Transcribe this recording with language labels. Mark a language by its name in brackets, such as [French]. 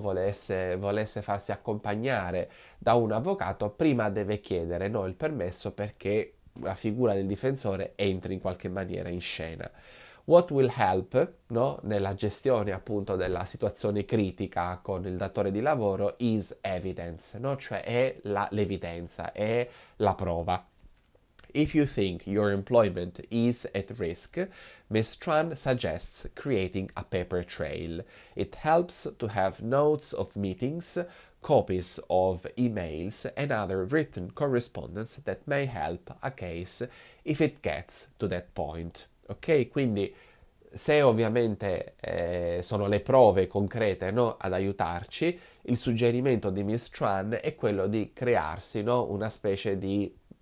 [Italian] Volesse farsi accompagnare da un avvocato, prima deve chiedere, no, il permesso perché la figura del difensore entri in qualche maniera in scena. [English] What will help, [Italian] no? Nella gestione appunto della situazione critica con il datore di lavoro [English] is evidence, [Italian] no? Cioè è l'evidenza, è la prova. [English] If you think your employment is at risk, Ms. Tran suggests creating a paper trail. It helps to have notes of meetings, copies of emails, and other written correspondence that may help a case if it gets to that point. [Italian] Ok, quindi se ovviamente sono le prove concrete, no, ad aiutarci, il suggerimento di Ms. Tran è quello di crearsi, no, una specie di.